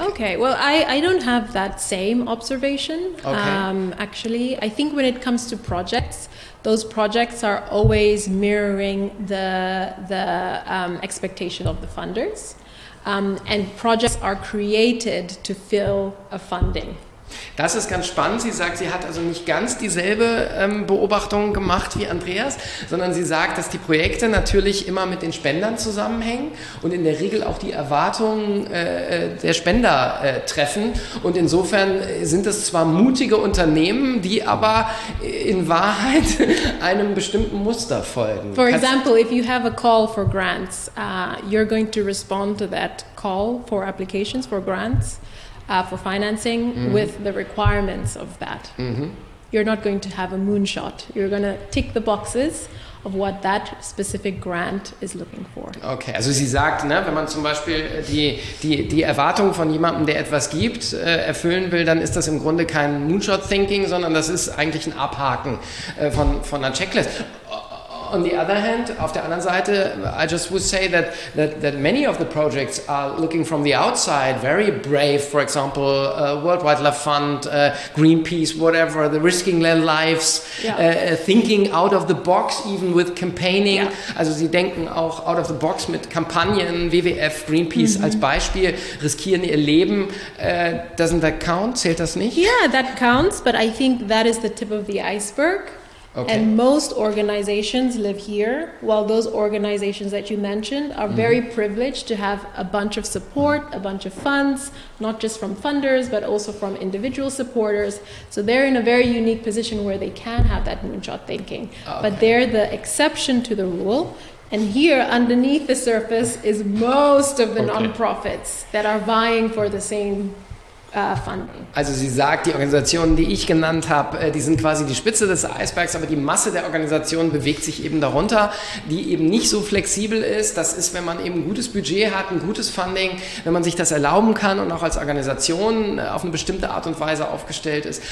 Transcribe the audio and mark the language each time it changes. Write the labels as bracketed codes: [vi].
[en] Okay, well, I don't have that same observation, actually. I think when it comes to projects, those projects are always mirroring the expectation of the funders, and projects are created to fill a funding. [de] Das ist ganz spannend. Sie sagt, sie hat also nicht ganz dieselbe Beobachtung gemacht wie Andreas, sondern sie sagt, dass die Projekte natürlich immer mit den Spendern zusammenhängen und in der Regel auch die Erwartungen der Spender treffen. Und insofern sind es zwar mutige Unternehmen, die aber in Wahrheit einem bestimmten Muster folgen. [en] For example, if you have a call for grants, you're going to respond to that call for applications for grants. For financing, mm-hmm. with the requirements of that. Mm-hmm. You're not going to have a moonshot. You're going to tick the boxes of what that specific grant is looking for. [de] Okay, also sie sagt, ne, wenn man zum Beispiel die Erwartung von jemandem, der etwas gibt, erfüllen will, dann ist das im Grunde kein Moonshot-Thinking, sondern das ist eigentlich ein Abhaken von einer Checklist. [en] On the other hand, [de] auf der anderen Seite, [en] I just would say that many of the projects are looking from the outside, very brave, for example, World Wildlife Fund, Greenpeace, whatever, the risking their lives, thinking out of the box, even with campaigning. [de] Yeah. Also sie denken auch out of the box mit Kampagnen, WWF, Greenpeace, mm-hmm. als Beispiel, riskieren ihr Leben. [en] Doesn't that count? [de] Zählt das nicht? [en] Yeah, that counts, but I think that is the tip of the iceberg. Okay. And most organizations live here, while those organizations that you mentioned are very privileged to have a bunch of support, a bunch of funds, not just from funders, but also from individual supporters. So they're in a very unique position where they can have that moonshot thinking. Okay. But they're the exception to the rule. And here, underneath the surface, is most of the nonprofits that are vying for the same funding. [de] Also sie sagt, die Organisationen, die ich genannt habe, die sind quasi die Spitze des Eisbergs, aber die Masse der Organisationen bewegt sich eben darunter, die eben nicht so flexibel ist. Das ist, wenn man eben ein gutes Budget hat, ein gutes Funding, wenn man sich das erlauben kann und auch als Organisation auf eine bestimmte Art und Weise aufgestellt ist.